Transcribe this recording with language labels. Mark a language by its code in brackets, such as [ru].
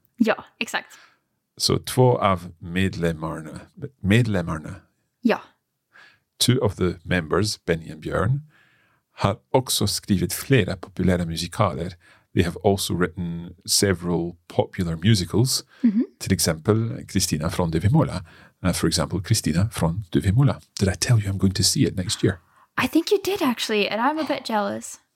[sv] Ja, exakt. So två av medlemmarna. Medlemmarna? Ja. [en] Two of the members, Benny and Björn, [sv] har också skrivit flera populära musikaler. [en] They have also written several popular musicals. Mm-hmm. [sv] Till exempel Kristina från Duvemåla. [en] For example, [sv] Kristina från Duvemåla. [en] Did I tell you I'm going to see it next year? I think you did, actually, and I'm a bit jealous.